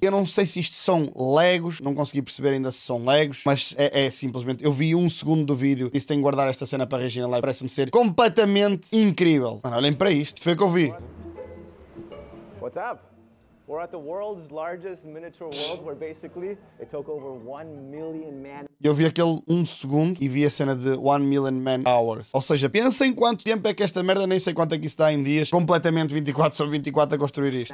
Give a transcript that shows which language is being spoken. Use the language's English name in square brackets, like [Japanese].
[Portuguese] Eu não sei se isto são Legos, não consegui perceber ainda se são Legos, mas é simplesmente, eu vi um segundo do vídeo e se tenho que guardar esta cena para reagir na live, parece-me ser completamente incrível. Mano, olhem para isto, isto foi o que eu vi. [English] What's up? We're at the world's largest miniature world where basically it took over 1 million man. [Portuguese] Eu vi aquele um segundo e vi a cena de [English] 1 million man hours. [Portuguese] Ou seja, pensa em quanto tempo é que esta merda, nem sei quanto é que está em dias, completamente 24 sobre 24 a construir isto.